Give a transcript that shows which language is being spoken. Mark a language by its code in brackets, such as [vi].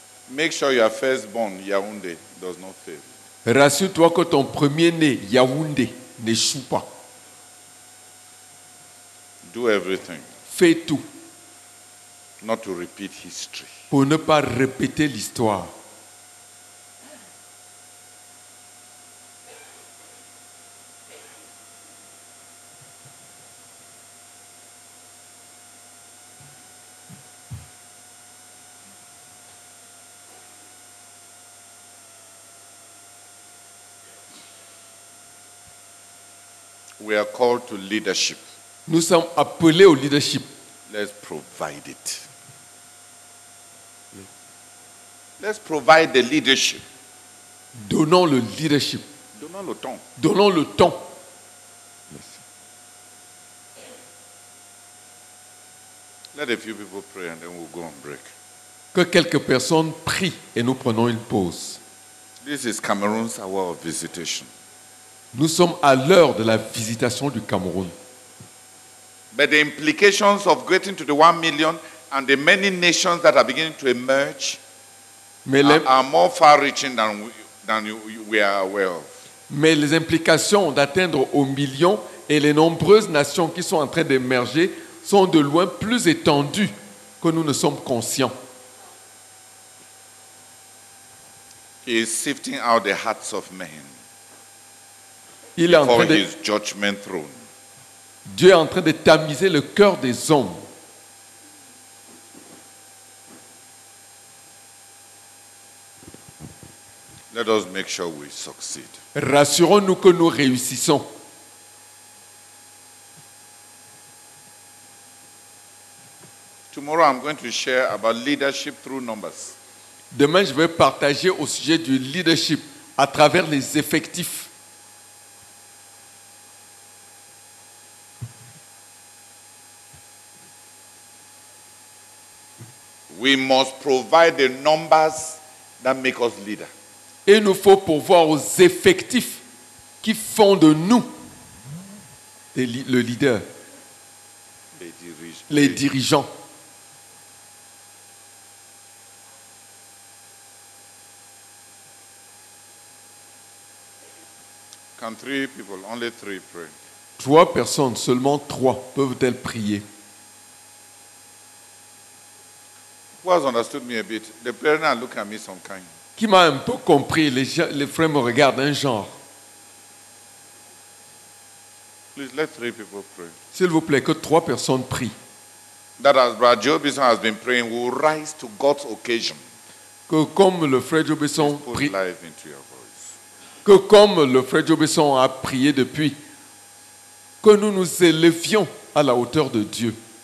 [en] make sure your firstborn Yaoundé does not fail. [fr] Rassure-toi que ton premier né Yaoundé n'échoue pas. [en] Do everything. [fr] Fais tout. [en] Not to repeat history. [fr] Pour ne pas répéter l'histoire. [en] We are called to leadership. [fr] Nous sommes appelés au leadership. [en] Let's provide it. Let's provide the leadership. [fr] Donnons le leadership. Donnons le temps. Donnons le temps. Merci. [en] Let a few people pray and then we'll go on break. [fr] Que quelques personnes prient et nous prenons une pause. [en] This is Cameroon's hour of visitation. [fr] Nous sommes à l'heure de la visitation du Cameroun. [en] But the implications of getting to the 1 million and the many nations that are beginning to emerge are more far-reaching than we are aware of. [fr] Mais les implications d'atteindre au million et les nombreuses nations qui sont en train d'émerger sont de loin plus étendues que nous ne sommes conscients. [en] He is sifting out the hearts of men. [fr] Il est en train de [en] his judgment throne. [fr] Dieu est en train de tamiser le cœur des hommes. [en] Let us make sure we succeed. [fr] Rassurons-nous que nous réussissons. [en] Tomorrow I'm going to share about leadership through numbers. [fr] Demain, je vais partager au sujet du leadership à travers les effectifs. [en] We must provide the numbers that make us leader. [fr] Il nous faut pourvoir aux effectifs qui font de nous le leader, les dirigeants. [en] Can three people, only three pray? [fr] Trois personnes, seulement trois, peuvent-elles prier? [en] Who has understood me a bit? The parents are looking at me some kind. [fr] Qui m'a un peu compris, les frères me regardent un genre. [en] Please let three people pray. [fr] S'il vous plaît, que trois personnes prient. [en] That as Brother Joe Bisson has been praying, will rise to God's occasion. [fr] Que comme le frère Joe Bisson prie. [en] Life into your voice. [fr] Que comme le frère Joe Bisson a prié depuis, que nous nous élevions à la hauteur de Dieu.